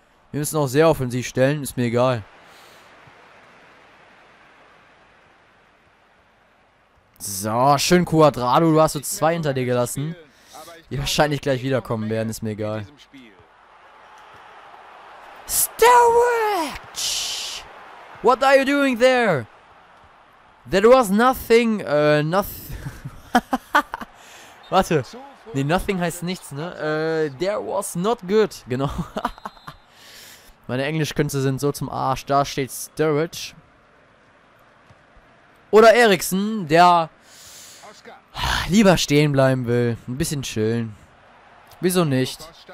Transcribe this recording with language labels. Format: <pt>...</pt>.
<de>Wir müssen auch sehr offensiv stellen, ist mir egal. So, schön Cuadrado, du hast so zwei hinter dir gelassen. Die wahrscheinlich gleich wiederkommen werden, ist mir egal. Sturridge!</de> <en>What are you doing there? There was nothing, nothing.</en> <de>Warte. Nee,</de> <en>nothing</en> <de>heißt nichts, ne?</de> <en>There was not good.</en> <de>Genau. Meine Englischkünste sind so zum Arsch. Da steht Sturridge. Oder Eriksen, der lieber stehen bleiben will. Ein bisschen chillen. Wieso nicht?</de>